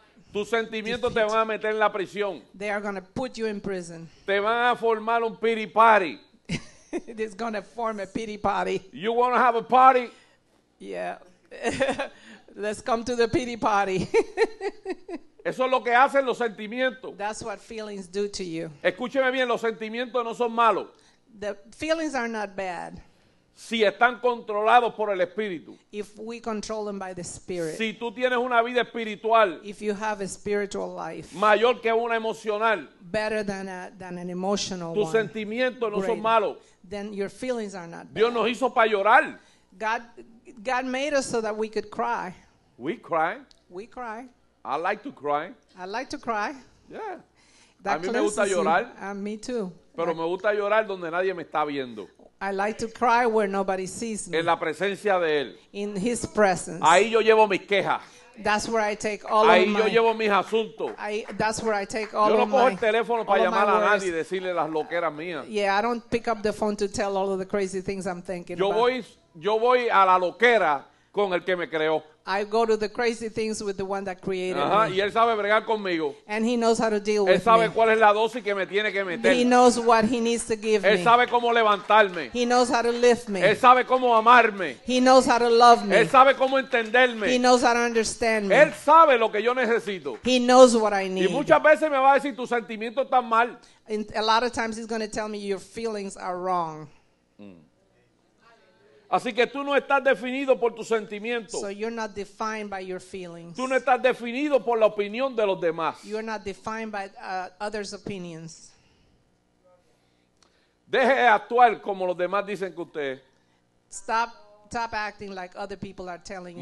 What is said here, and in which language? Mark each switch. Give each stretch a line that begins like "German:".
Spanish: tus sentimientos te van a meter en la prisión.
English: They are going to put you in prison.
Spanish: Te van a formar un
English: pity party. It is going to form a pity party. You want to have a party? Yeah. Let's come to the pity party.
Spanish: Eso es lo que hacen los sentimientos.
English: That's what feelings do to you.
Spanish: Escúcheme bien, los sentimientos no son malos.
English: The feelings are not bad.
Spanish: Si están controlados por el Espíritu.
English: If we control them by the Spirit.
Spanish: Si tú tienes una vida espiritual.
English: If you have a spiritual life.
Spanish: Mayor que una emocional.
English: Better than an emotional
Spanish: tus
English: one.
Spanish: Tus sentimientos no son malos.
English: Then your feelings are not bad.
Spanish: Dios nos hizo para llorar.
English: God made us so that we could cry. We cry. We cry. I like to cry. I like to cry. Yeah. That
Spanish: a mí me gusta llorar.
English: And me too.
Spanish: Pero like, me gusta llorar donde nadie me está viendo.
English: I like to cry where nobody sees me.
Spanish: En la presencia de él.
English: In his presence.
Spanish: Ahí yo llevo mis quejas.
English: That's where I take all
Spanish: ahí
English: of my.
Spanish: Ahí yo llevo mis asuntos.
English: That's where I take all
Spanish: yo no
English: of my.
Spanish: Yo no cojo el teléfono para llamar a nadie y decirle las loqueras mías.
English: Yeah, I don't pick up the phone to tell all of the crazy things I'm thinking
Spanish: yo
English: about.
Spanish: Yo voy a la loquera con el que me creó.
English: I go to the crazy things with the one that created uh-huh. me.
Spanish: Y él sabe bregar conmigo.
English: And he knows how to deal
Spanish: él
English: with me.
Spanish: Él sabe cuál es la dosis que me tiene que meter.
English: He knows what he needs to give
Spanish: él
English: me.
Spanish: Él sabe cómo levantarme.
English: He knows how to lift me.
Spanish: Él sabe cómo amarme.
English: He knows how to love me.
Spanish: Él sabe cómo entenderme.
English: He knows how to understand me.
Spanish: Él sabe lo que yo necesito.
English: He knows what I need.
Spanish: Y muchas veces me va a decir, tus sentimientos están mal.
English: And a lot of times he's going to tell me, your feelings are wrong.
Spanish: Así que tú no estás definido por tus sentimientos.
English: So you're not defined by your feelings.
Spanish: Tú no estás definido por la opinión de los demás.
English: You're not defined by others' opinions.
Spanish: Deje de actuar como los demás dicen que usted es.
English: Stop acting like other people are telling you.